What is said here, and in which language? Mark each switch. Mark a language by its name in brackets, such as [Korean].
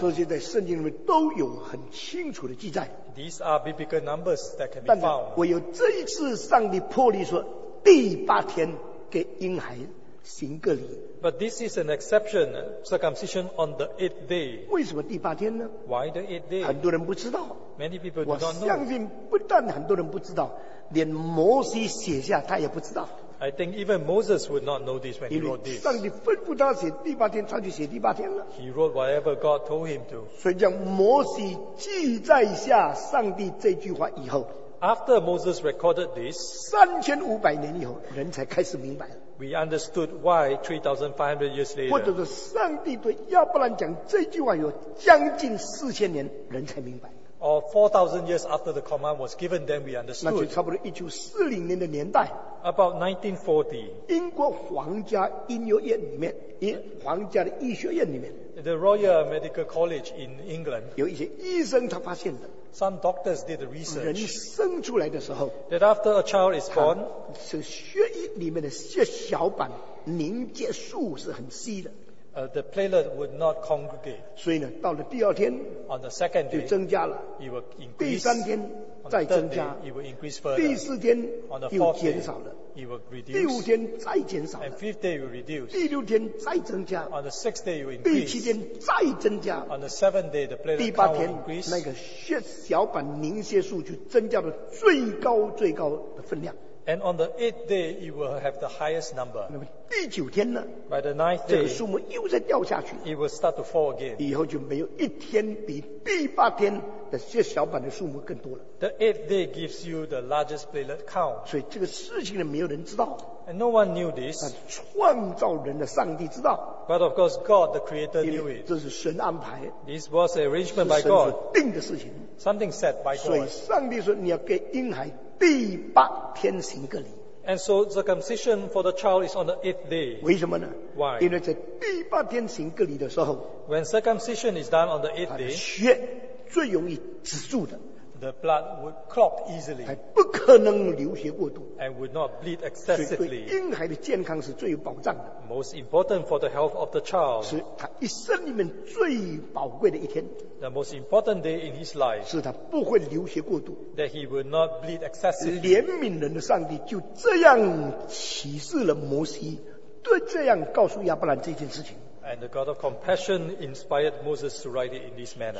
[Chinese] 这些在圣经里面都有很清楚的记载。 [English] These are biblical numbers that can be found. [Chinese] 唯有这一次上帝破例说第八天给婴孩行割礼。 [English] But this is an exception, circumcision on the eighth day. [Chinese] 为什么第八天呢？ [English] Why the eighth day? [Chinese] 很多人不知道。 [English] Many people do not know. [Chinese] 我相信不但很多人不知道，连摩西写下他也不知道。 [English] I think even Moses would not know this when he wrote this. [Chinese] 上帝吩咐他写第八天，他就写第八天了。 [English] He wrote whatever God told him to. [Chinese] 所以将摩西记载下上帝这句话以后， [English] After Moses recorded this, [Chinese] 3500年以后，人才开始明白了。 [English] We understood why 3,500 years later. [Chinese] 或者是上帝对亚伯兰讲这句话有将近四千年，人才明白。 [English] Or 4,000 years after the command was given, then we understood. [Chinese] 那就差不多1940年的年代。 [English] About 1940. [Chinese] 英国皇家医学院里面，皇家的医学院里面。 [English] The Royal Medical College in England. [Chinese] 有一些医生他发现的。 [English] Some doctors did the research. [Chinese] 人生出来的时候， [English] that after a child is born, [Chinese] 是血液里面的血小板凝结素是很稀的。 [English] The platelet would not congregate. [Chinese] 所以呢，到了第二天 [English] ，on the second day [Chinese] 就增加了。 [English] It will increase. [Chinese] 第三天再增加 [English] ，it will increase further. [Chinese] 第四天 [English] ，on the fourth day [Chinese] 又减少了 [English] ，it will reduce. [Chinese] 第五天再减少了 [English] ，and fifth day will reduce. [Chinese] 第六天再增加 [English] ，on the sixth day will increase. [Chinese] 第七天再增加 [English] ，on the seventh day the platelet count will increase. [Chinese] 第八天那个血小板凝血素就增加了最高最高的分量。 [English] And on the eighth day, you will have the highest number. [Chinese] 那么第九天呢？ [English] By the ninth day, [Chinese] 这个数目又再掉下去。 [English] It will start to fall again. [Chinese] 以后就没有一天比第八天的血小板的数目更多了。 [English] The eighth day gives you the largest platelet count. [Chinese] 所以这个事情呢，没有人知道。 [English] And no one knew this. [Chinese] 创造人的上帝知道。 [English] But of course, God, the Creator, knew it. [Chinese] 这是神安排。 [English] This was an arrangement by God. [Chinese] 是神所定的事情。 [English] Something set by God. [Chinese] 所以上帝说，你要给婴孩。第八天行个礼。 [English] And so circumcision for the child is on the eighth day. [Chinese] 为什么呢？ [English] Why? [Chinese] 因为在第八天行个礼的时候， [English] When circumcision is done on the eighth day, [Chinese] 血最容易止住的。 [English] The blood would clot easily. [Chinese] 还不可能流血过度。 [English] And would not bleed excessively. [Chinese] 所以对婴孩的健康是最有保障的。 [English] Most important for the health of the child. [Chinese] 是他一生里面最宝贵的一天。 [English] The most important day in his life. [Chinese] 是他不会流血过度。 [English] That he would not bleed excessively. [Chinese] 怜悯人的上帝就这样启示了摩西，对这样告诉亚伯兰这件事情。 [English] And the God of compassion inspired Moses to write it in this manner.